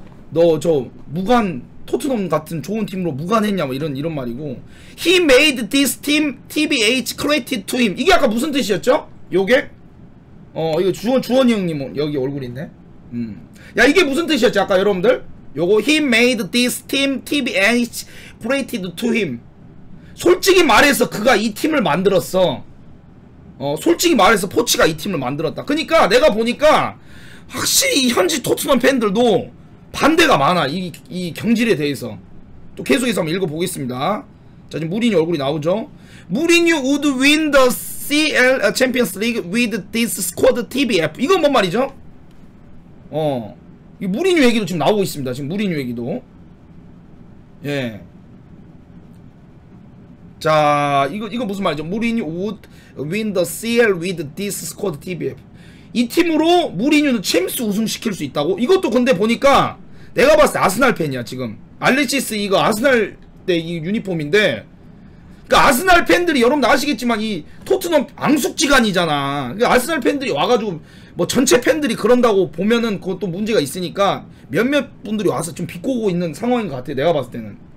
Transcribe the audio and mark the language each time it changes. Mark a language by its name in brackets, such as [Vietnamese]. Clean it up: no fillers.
[Korean] 너저 무관, 토트넘 같은 좋은 팀으로 무관했냐, 뭐 이런 말이고. [English] He made this team TBH credit to him. [Korean] 이게 아까 무슨 뜻이었죠? 요게? 이거 주원이 형님 여기 얼굴 있네. 야, 이게 무슨 뜻이었지 아까 여러분들? 요거 [English] He made this team TBH credited to him. [Korean] 솔직히 말해서 그가 이 팀을 만들었어. 어, 솔직히 말해서 포치가 이 팀을 만들었다. 그러니까 내가 보니까 확실히 현지 토트넘 팬들도 반대가 많아. 이 경질에 대해서. 또 계속해서 한번 읽어보겠습니다. 자, 지금 무리뉴 얼굴이 나오죠. [English] 무리뉴 would win the CL Champions League with this squad TBF. [Korean] 이건 뭔 말이죠? 어, 이 무리뉴 얘기도 지금 나오고 있습니다. 지금 무리뉴 얘기도. 예. 자, 이거 무슨 말이죠? [English] 무리뉴 would win the CL with this squad TBF. [Korean] 이 팀으로 무리뉴는 챔스 우승 시킬 수 있다고? 이것도 근데 보니까 내가 봤을 때 아스날 팬이야 지금. 알레시스 이거 아스날 때 이 유니폼인데. 그 아스날 팬들이 여러분들 아시겠지만 이 토트넘 앙숙지간이잖아. 그 아스날 팬들이 와가지고 뭐 전체 팬들이 그런다고 보면은 그것도 문제가 있으니까 몇몇 분들이 와서 좀 비꼬고 있는 상황인 것 같아요. 내가 봤을 때는.